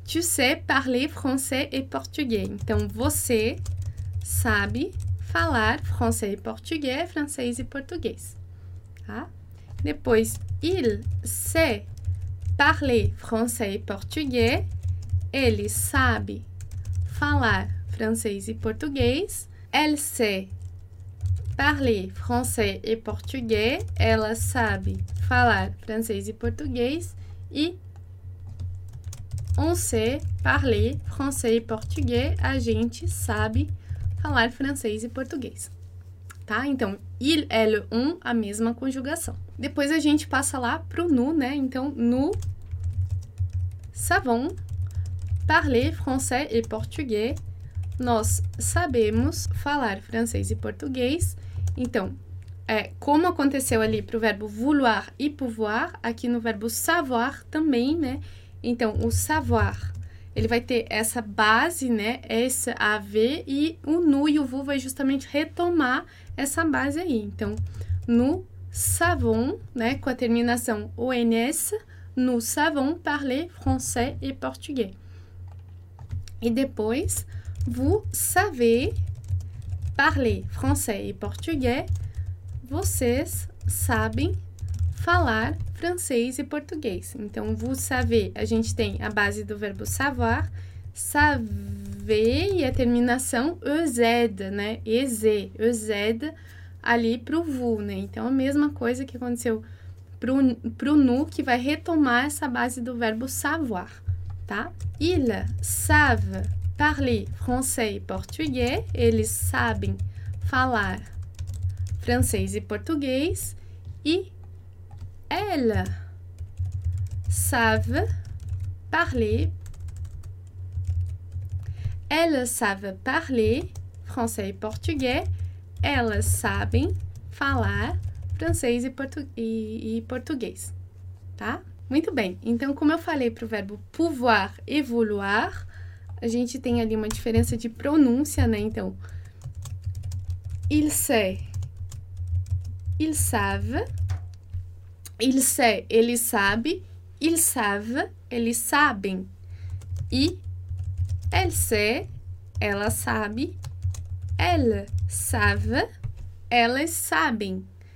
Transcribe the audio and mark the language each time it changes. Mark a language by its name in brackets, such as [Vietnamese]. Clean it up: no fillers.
[French] Tu sais parler français et portugais. [Portuguese] Então, você sabe falar [French] français et portugais, [Portuguese] francês e português, tá? [French] Depois, il sait parler français et portugais. [Portuguese] Ele sabe falar francês e português. [French] Elle sait parler français et portugais. [Portuguese] Ela sabe falar francês e português. [French] E on sait parler français et portugais. [Portuguese] A gente sabe falar francês e português. Tá? Então, il, elle, on, a mesma conjugação. Depois a gente passa lá pro nous, né? [French] Então, nous savons parler français et portugais. [Portuguese] Nós sabemos falar francês e português. Então, como aconteceu ali pro verbo vouloir e pouvoir, aqui no verbo savoir também, né? Então, o savoir, ele vai ter essa base, né? Esse AV e o nous e o vous vai justamente retomar essa base aí. [French] Então, nous savons, né, [Portuguese] com a terminação ONS, [French] nous savons parler français et portugais. [Portuguese] E depois, [French] vous savez parler français et portugais, [Portuguese] vocês sabem falar francês e português. Então, [French] vous savez, [Portuguese] a gente tem a base do verbo savoir, savez e a terminação EZ, né, EZ, EZ, ali pro vous, né? Então, a mesma coisa que aconteceu pro nous, que vai retomar essa base do verbo savoir, tá? [French] Ils savent parler français et portugais. [Portuguese] Eles sabem falar francês e português. [French] E elles savent parler. Elles savent parler français et portugais. [Portuguese] Elas sabem falar francês e português, tá? Muito bem. Então, como eu falei para o verbo pouvoir e vouloir, a gente tem ali uma diferença de pronúncia, né? [French] Então, il sait, il savent, il sait, [Portuguese] ele sabe, [French] il savent, [Portuguese] eles sabem, [French] e elle sait, [Portuguese] ela sabe, [French] elle savent, [Portuguese] elas sabem.